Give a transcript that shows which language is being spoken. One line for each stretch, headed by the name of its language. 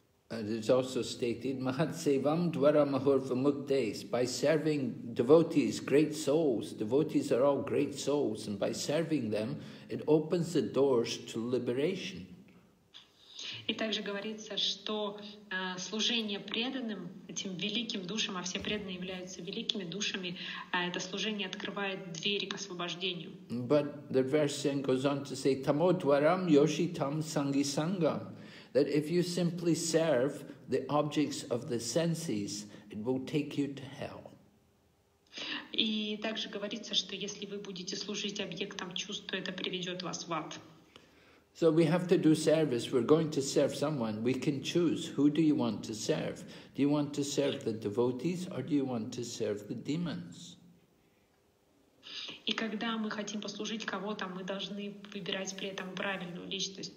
English: And it's also stated,
Sanskrit: Mahatsevam Dvara Mahurva Muktes,
English: by serving devotees, great souls, devotees are all great souls, and by serving them, it opens the doors to liberation.
Russian: И также говорится, что служение преданным, этим великим душам, а все преданные являются великими душами, это служение открывает двери к освобождению.
English: But the verse then goes on to say,
Sanskrit: Tamo Dvaram Yoshitam Sanghi Sangam.
English: That if you simply serve the objects of the senses, it will take you to hell.
Russian: И также говорится, что если вы будете служить объектам чувств, то это приведет вас в ад.
English: So we have to do service. We're going to serve someone. We can choose. Who do you want to serve? Do you want to serve the devotees or do you want to serve the demons?
Russian: И когда мы хотим послужить кого-то, мы должны выбирать при этом правильную личность.